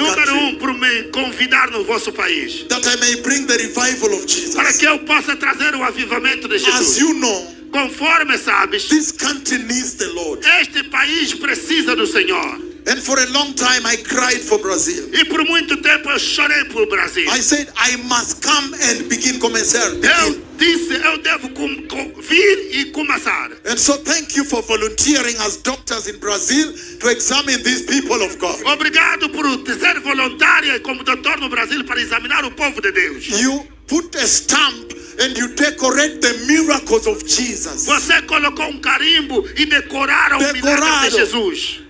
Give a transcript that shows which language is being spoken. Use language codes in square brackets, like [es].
[pt] Número [en] country. [pt] Um, para me convidar no vosso país. [en] That I may bring the revival of Jesus. [pt] Para que eu possa trazer o avivamento de Jesus. [en] As you know, [pt] conforme sabes, [en] this country needs the Lord. [pt] Este país precisa do Senhor. [en] And for a long time I cried for Brazil. [pt] E por muito tempo eu chorei por Brasil. [en] I said I must come and begin [pt] começar. Eu disse eu devo vir e começar. [en] And so thank you for volunteering as doctors in Brazil to examine these people of God. [pt] Obrigado por ser voluntária como doutor no Brasil para examinar o povo de Deus. [en] You put a stamp and you decorate the miracles of Jesus. [pt] Você colocou carimbo e decoraram milagres de Jesus.